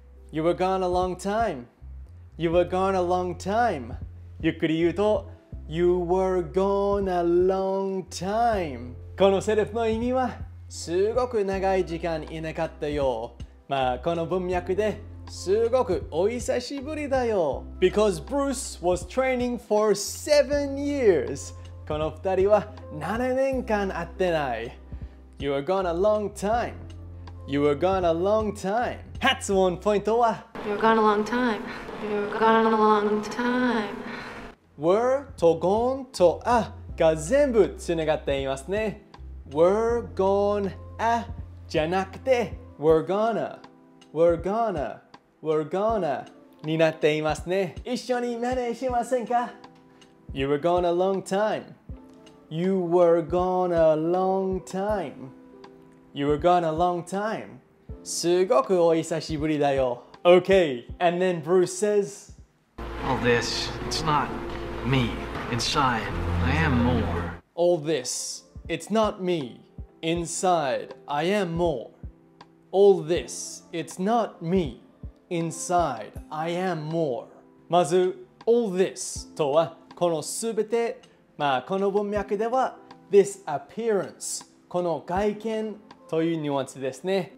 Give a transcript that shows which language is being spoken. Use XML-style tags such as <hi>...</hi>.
<en>You were gone a long time. You were gone a long time.</en> <ja>ゆっくり言うと、</ja> <en>You were gone a long time.</en> <ja>このセリフの意味は、すごく長い時間いなかったよ。まあこの文脈で、すごくお久しぶりだよ。</ja> <en>Because Bruce was training for 7 years.</en> <ja>この二人は7年間会ってない。</ja> <en>You were gone a long time. You were gone a long time.</en> <ja>発音ポイントは、</ja> <en>You were gone a long time. You were gone a long time.</en> <ja>were と gone と a が全部つながっていますね。</ja> <en>were gone a</en> <ja>じゃなくて</ja> <en>were gonna were gonna were gonna</en> <ja>になっていますね。一緒に真似しませんか？</ja> <en>You were gone a long time. You were gone a long time. You were gone a long time.</en> <ja>すごくお久しぶりだよ。</ja> <en>Okay, and then Bruce says, All this, it's notme inside I am more all this it's not me inside I am more all this it's not me inside I am more</en> <ja>まず</ja> <en>all this</en> <ja>とはこのすべて、まあこの文脈では</ja> <en>this appearance</en> <ja>この外見というニュアンスですね。</ja>